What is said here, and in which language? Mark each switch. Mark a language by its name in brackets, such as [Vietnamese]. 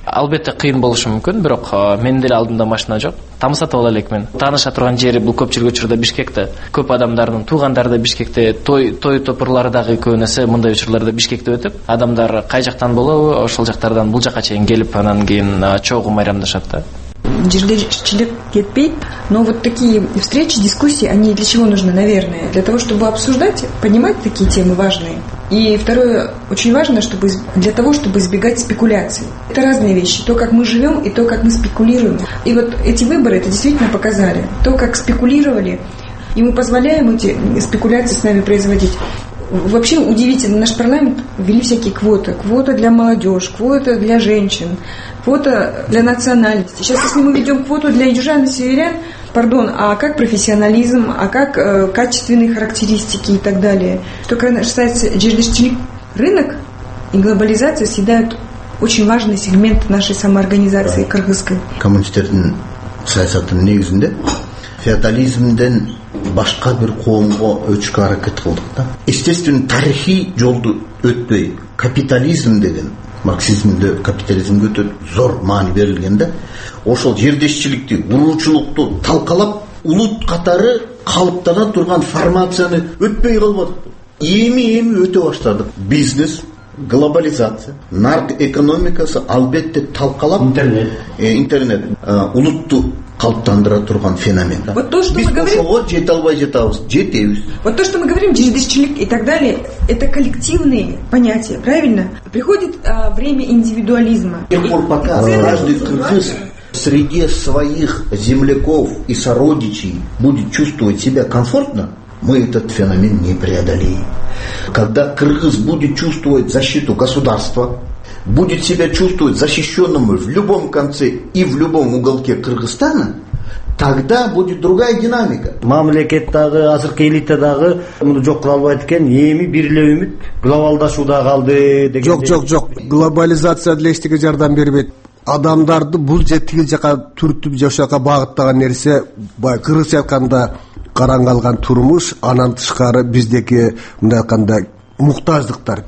[Kyrgyz] Албетте кыйын болушу мүмкүн, бирок менин деле алдымда машина жок. Таң сатып ала элекмин. Тааныша турган жери бул көпчүлүк учурда Бишкекте. Көп адамдардын туугандары да Бишкекте, той топурлары дагы көбүнесе мындай учурларда Бишкекте өтүп, адамдар кай жактан болобу, ошол жактардан бул жака чейин келип, анан кийин чогуу майрамдашат да. Жирлечилик кетпейт, [Russian] но вот такие встречи, дискуссии, они для чего нужны, наверное? Для того, чтобы обсуждать, понимать такие темы важные. И второе, очень важно, чтобы для того, чтобы избегать спекуляций. Это разные вещи, то, как мы живем, и то, как мы спекулируем. И вот эти выборы это действительно показали. То, как спекулировали, и мы позволяем эти спекуляции с нами производить. Вообще удивительно, наш парламент ввели всякие квоты. Квота для молодежи, квота для женщин, квота для национальности. Сейчас если мы ведем квоту для южан и северян, пардон, а как профессионализм, а как качественные характеристики и так далее. Что касается жердештилик, рынок и глобализация съедают очень важный сегмент нашей самоорганизации кыргызской. [Kyrgyz] Коммунистердин саясатынын негизинде феодализмден башка бир коомго өчүшкө аракет кылдык да. Естественно, тарыхый жолду өтпөй капитализм деген, марксизмде капитализмге өтө зор маани берилгенде, ошол жердешчиликти, уруучулукту талкалап, улут катары калыптана турган формацияны өтпөй калбадык. Эми өтө баштадык. Бизнес, глобализация, нарк экономикасы албетте талкалап, интернет улутту калыптандыра турган феномен. [Russian] Вот то, что мы говорим, [Kyrgyz] ошого жете албай жатабыз, жетебиз. [Russian] Вот то, что мы говорим, жердешчилик и так далее, это коллективные понятия, правильно? Приходит время индивидуализма. С тех пор, пока каждый кыргыз среди своих земляков и сородичей будет чувствовать себя комфортно, мы этот феномен не преодолеем. Когда кыргыз будет чувствовать защиту государства, будет себя чувствовать защищенным в любом конце и в любом уголке Кыргызстана, тогда будет другая динамика. [Kyrgyz] Мамлекет дагы, азыркы элита дагы муну жок кыла албайт экен. Эми бир эле үмүт глобалдашуу да калды деген. Жок. Глобализация деле эчтеге жардам бербейт. Адамдарды бул жетиги жака түртүп, жашоого багыттаган нерсе баягы кыргыз айтканда караң калган турмуш, анан тышкары биздеки мындай айтканда муктаждыктар.